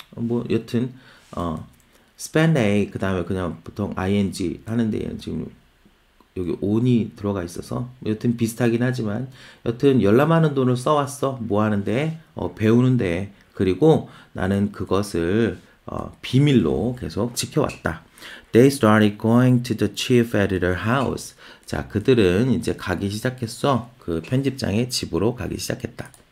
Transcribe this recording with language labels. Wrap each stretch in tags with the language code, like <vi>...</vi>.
<ko>뭐 여튼</ko> <en>spend a</en> <ko>그다음에 그냥 보통 ing 하는데 얘는 지금 여기 on이 들어가 있어서 여튼 비슷하긴 하지만 여튼 열람하는 돈을 써왔어. 뭐 하는데? 배우는데. 그리고 나는 그것을 비밀로 계속 지켜왔다.</ko> <en>They started going to the chief editor house.</en> <ko>자, 그들은 이제 가기 시작했어. 그 편집장의 집으로 가기 시작했다.</ko>